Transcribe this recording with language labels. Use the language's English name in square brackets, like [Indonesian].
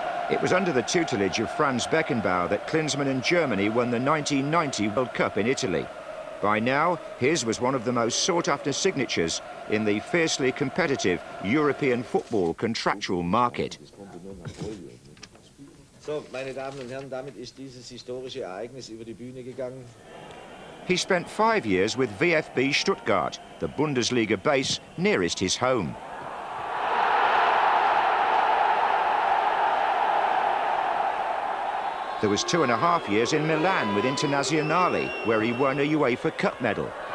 [English] It was under the tutelage of Franz Beckenbauer that Klinsmann and Germany won the 1990 World Cup in Italy. By now, his was one of the most sought-after signatures in the fiercely competitive European football contractual market. [German] So, meine Damen und Herren, damit ist dieses historische Ereignis über die Bühne gegangen. [English] He spent 5 years with VfB Stuttgart, the Bundesliga base nearest his home. There was 2.5 years in Milan with Internazionale, where he won a UEFA Cup medal.